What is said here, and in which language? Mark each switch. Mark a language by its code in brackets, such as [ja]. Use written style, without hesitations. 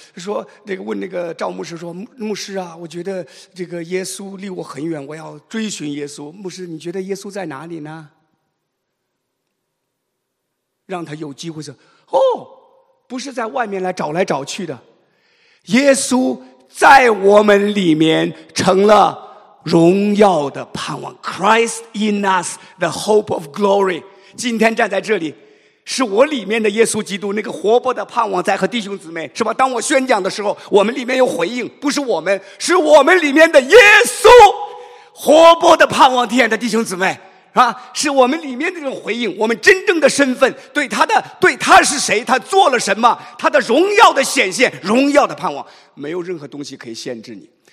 [zh] 说这个问那个赵牧师说：“牧师啊，我觉得这个耶稣离我很远，我要追寻耶稣。牧师，你觉得耶稣在哪里呢？” 让他有机会说，哦，不是在外面来找来找去的，耶稣在我们里面成了荣耀的盼望。 [en] Christ in us, the hope of glory. [zh] 今天站在这里是我里面的耶稣基督，那个活泼的盼望在和弟兄姊妹，是吧？当我宣讲的时候，我们里面有回应，不是我们，是我们里面的耶稣，活泼的盼望体现的弟兄姊妹，是吧？是我们里面的这种回应，我们真正的身份，对他的，对他是谁，他做了什么，他的荣耀的显现，荣耀的盼望，没有任何东西可以限制你。